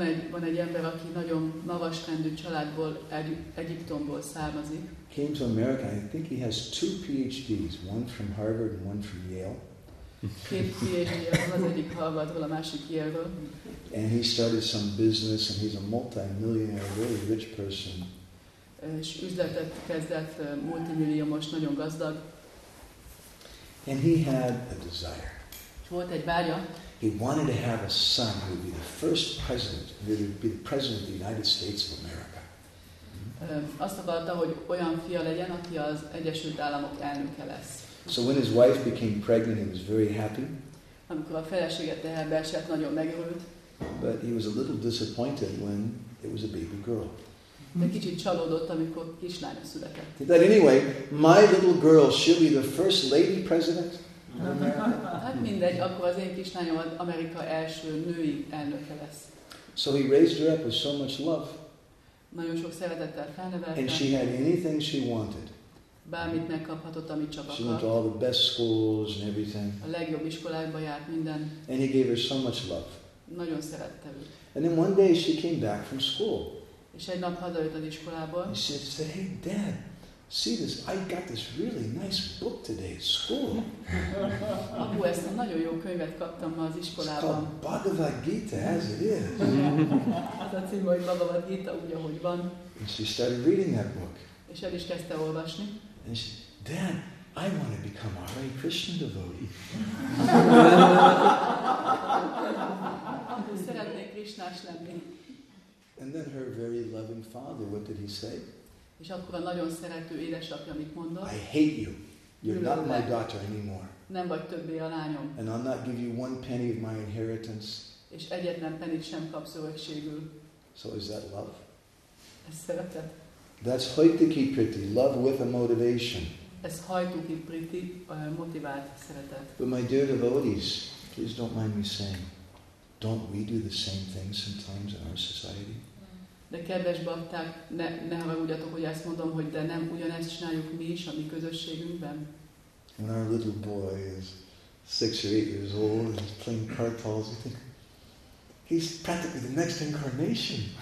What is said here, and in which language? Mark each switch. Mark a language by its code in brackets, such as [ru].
[hu] Van egy ember, aki nagyon magas rendű családból, Egyiptomból származik. [en] Came to America. I think he has two PhDs, one from Harvard and one from Yale. [hu] Két PhD-je van, az egyik Harvardról, a másik Yale-ről. [en] And he started some business, and he's a multi-millionaire, really rich person. [hu] És üzletet kezdett, multimilliómos, nagyon gazdag. [en] And he had a desire. [hu] És volt egy vágya. [en] He wanted to have a son who would be the first president, who would be the president of the United States of America. [hu] Azt akarta, hogy olyan fia legyen, aki az Egyesült Államok elnöke lesz. [en] So when his wife became pregnant, he was very happy. [hu] Amikor a felesége teherbe esett, nagyon megörült. [en] But he was a little disappointed when it was a baby girl. [hu] De kicsit csalódott, amikor kislánya született. [en] But anyway, my little girl, she'll be the first lady president. [hu] Hát mindegy, akkor az én kislányom Amerika első női elnöke lesz. [en] So he raised her up with so much love. [hu] Nagyon sok szeretettel felnevelte. [en] And she had anything she wanted. [hu] bármit megkaphatott, amit csak akart. [en] She went to all the best schools and everything. [hu] A legjobb iskolákba járt minden. [en] And he gave her so much love. [hu] Nagyon szerette őt. [en] And then one day she came back from school. [hu] És egy nap hazajött az iskolából. [en] And she said, "Hey, Dad, see this? I got this really nice book today at school." [hu] Apu, ezt a nagyon jó könyvet kaptam ma az iskolában. [en] It's called Bhagavad Gita as it is. [hu] Az a cím, hogy Bhagavad Gita úgy, ahogy van. [en] And she started reading that book. [hu] És el is kezdte olvasni. [en] And she said, "Dad, I want to become a Hare Krishna devotee." [hu] Apu, szeretnék Krisnás lenni. [en] And then her very loving father, what did he say? [hu] És akkor a nagyon szerető édesapja mit mondott? [en] I hate you. You're not my daughter anymore. [hu] Nem vagy többé a lányom. [en] And I'll not give you one penny of my inheritance. [hu] És egyetlen pennit sem kapsz örökségül. [en] So is that love? [hu] Ez szeretet. [en] That's haituki priti, love with a motivation. [hu] Ez haituki priti, motivált szeretet. [en] But my dear devotees, please don't mind me saying, don't we do the same thing sometimes in our society? [hu] De kedves bakták, ne haragudjatok, hogy ezt mondom, hogy de nem ugyanezt csináljuk mi is a mi közösségünkben. [en] When our little boy is 6 or 8 years old and he's playing card balls, we think he's practically the next incarnation.